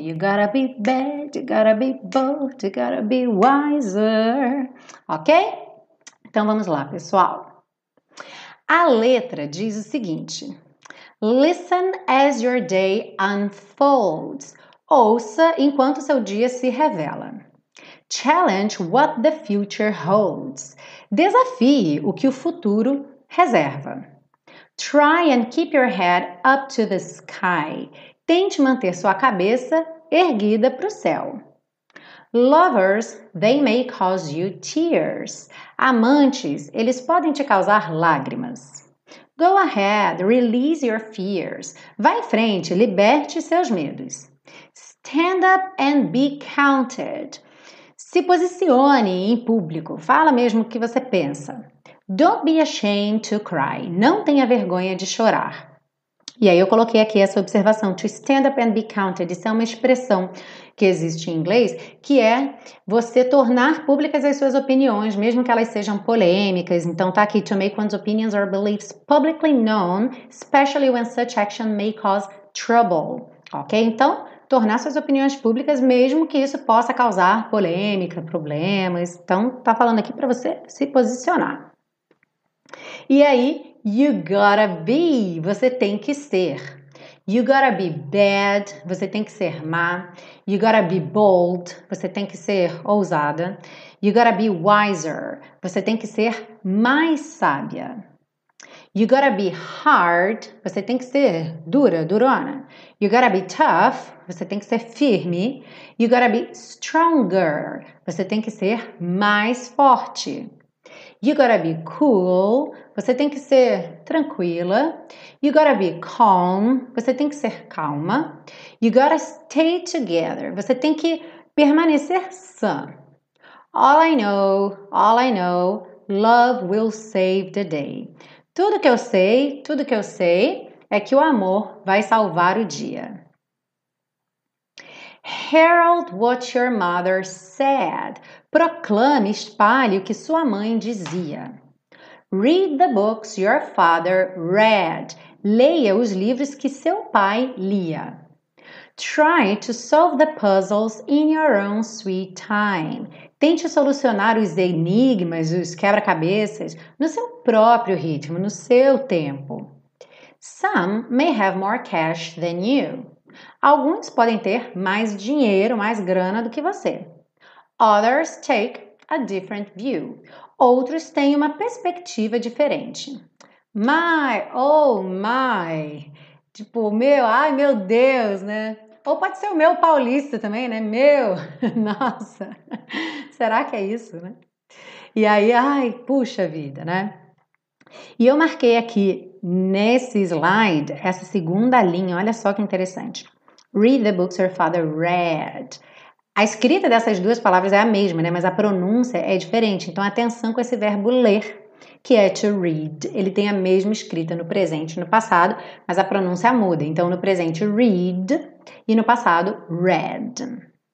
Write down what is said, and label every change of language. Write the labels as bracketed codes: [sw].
[en] You gotta be bad, you gotta be bold, you gotta be wiser. Ok? [pt] Então vamos lá, pessoal. A letra diz o seguinte: [en] Listen as your day unfolds. [pt] Ouça enquanto seu dia se revela. [en] Challenge what the future holds. [pt] Desafie o que o futuro reserva. [en] Try and keep your head up to the sky. [pt] Tente manter sua cabeça erguida para o céu. [en] Lovers, they may cause you tears. [pt] Amantes, eles podem te causar lágrimas. [en] Go ahead, release your fears. [pt] Vá em frente, liberte seus medos. [en] Stand up and be counted. [pt] Se posicione em público, fala mesmo o que você pensa. [en] Don't be ashamed to cry. [pt] Não tenha vergonha de chorar. E aí eu coloquei aqui essa observação, [en] to stand up and be counted. [pt] Isso é uma expressão que existe em inglês, que é você tornar públicas as suas opiniões, mesmo que elas sejam polêmicas. Então tá aqui, [en] to make one's opinions or beliefs publicly known, especially when such action may cause trouble. [pt] Ok, então... tornar suas opiniões públicas, mesmo que isso possa causar polêmica, problemas. Então, tá falando aqui para você se posicionar. E aí, [en] you gotta be, [pt] você tem que ser. [en] You gotta be bad, [pt] você tem que ser má. [en] You gotta be bold, [pt] você tem que ser ousada. [en] You gotta be wiser, [pt] você tem que ser mais sábia. [en] You gotta be hard, [pt] você tem que ser dura, durona. [en] You gotta be tough, [pt] você tem que ser firme. [en] You gotta be stronger, [pt] você tem que ser mais forte. [en] You gotta be cool, [pt] você tem que ser tranquila. [en] You gotta be calm, [pt] você tem que ser calma. [en] You gotta stay together, [pt] você tem que permanecer sã. [en] All I know, love will save the day. [pt] Tudo que eu sei, tudo que eu sei é que o amor vai salvar o dia. [en] Herald what your mother said. [pt] Proclame, espalhe o que sua mãe dizia. [en] Read the books your father read. [pt] Leia os livros que seu pai lia. [en] Try to solve the puzzles in your own sweet time. [pt] Tente solucionar os enigmas, os quebra-cabeças, no seu próprio ritmo, no seu tempo. [en] Some may have more cash than you. [pt] Alguns podem ter mais dinheiro, mais grana do que você. [en] Others take a different view. [pt] Outros têm uma perspectiva diferente. [en] My, oh my. [pt] Tipo, meu, ai meu Deus, né? Ou pode ser o meu paulista também, né? Meu, nossa. Será que é isso, né? E aí, ai, puxa vida, né? E eu marquei aqui nesse slide, essa segunda linha, olha só que interessante. [en] Read the books your father read. [pt] A escrita dessas duas palavras é a mesma, né? Mas a pronúncia é diferente. Então, atenção com esse verbo ler, que é to read. Ele tem a mesma escrita no presente e no passado, mas a pronúncia muda. Então, no presente, read, e no passado, read.